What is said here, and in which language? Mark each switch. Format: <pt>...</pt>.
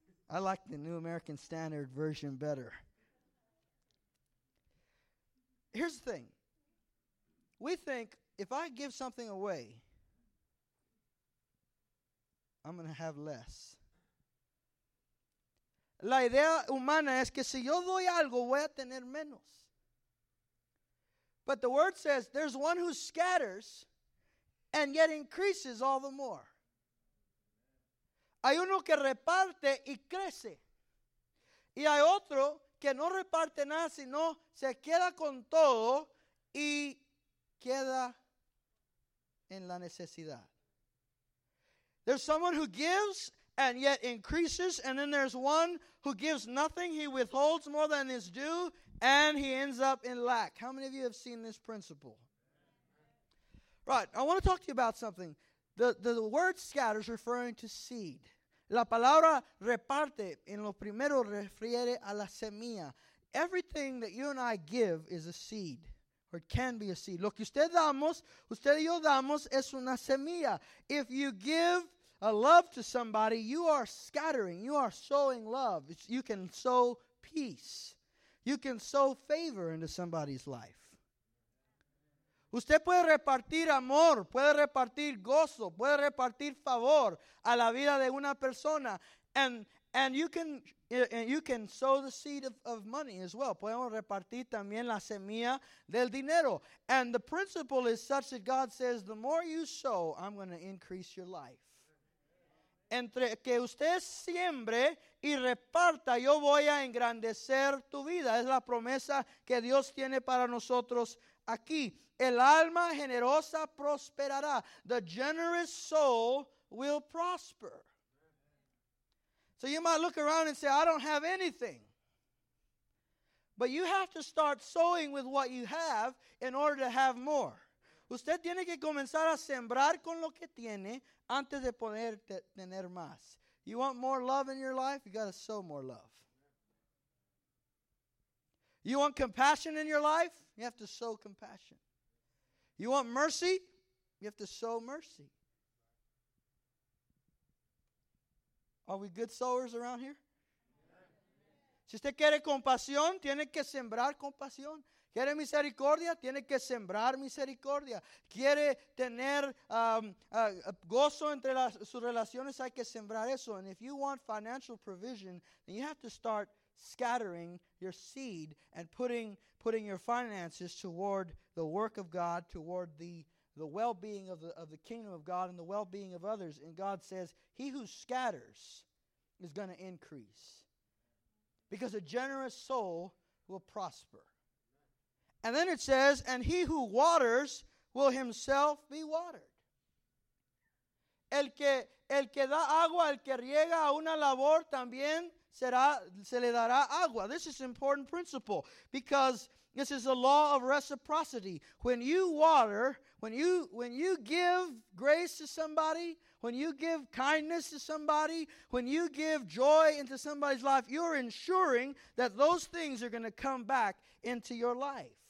<en>I like the New American Standard version better. Here's the thing. We think if I give something away, I'm going to have less.</en> <es>La idea humana es que si yo doy algo, voy a tener menos.</es> <en>But the word says, there's one who scatters and yet increases all the more.</en> <es>Hay uno que reparte y crece. Y hay otro que no reparte nada, sino se queda con todo y queda en la necesidad.</es> <en>There's someone who gives and yet increases, and then there's one who gives nothing. He withholds more than is due, and he ends up in lack. How many of you have seen this principle? Right. I want to talk to you about something. The word scatters referring to seed. La palabra reparte en lo primero refiere a la semilla. Everything that you and I give is a seed. Or it can be a seed. Lo que usted y yo damos es una semilla. If you give a love to somebody, you are scattering. You are sowing love. You can sow peace. You can sow favor into somebody's life.</en> <es>Usted puede repartir amor. Puede repartir gozo. Puede repartir favor a la vida de una persona.</es> <en>And you can sow the seed of money as well.</en> <es>Podemos repartir también la semilla del dinero.</es> <en>And the principle is such that God says, the more you sow, I'm going to increase your life.</en> <es>Entre que usted siembre y reparta, yo voy a engrandecer tu vida. Es la promesa que Dios tiene para nosotros aquí. El alma generosa prosperará.</es> <en>The generous soul will prosper. So you might look around and say, I don't have anything. But you have to start sowing with what you have in order to have more.</en> <es>Usted tiene que comenzar a sembrar con lo que tiene antes de poder tener más.</es> <en>You want more love in your life? You got to sow more love. You want compassion in your life? You have to sow compassion. You want mercy? You have to sow mercy. Are we good sowers around here?</en> <es>Si usted quiere compasión, tiene que sembrar compasión. Quiere misericordia, tiene que sembrar misericordia. Quiere tener gozo entre las, sus relaciones, hay que sembrar eso.</es> <en>And if you want financial provision, then you have to start scattering your seed and putting your finances toward the work of God, toward the well-being of the kingdom of God and the well-being of others. And God says, he who scatters is going to increase. Because a generous soul will prosper. And then it says, and he who waters will himself be watered.</en> <es>El que da agua, el que riega a una labor, también será, se le dará agua.</es> <en>This is an important principle because this is a law of reciprocity. When you water, when you give grace to somebody, when you give kindness to somebody, when you give joy into somebody's life, you're ensuring that those things are going to come back into your life.</en>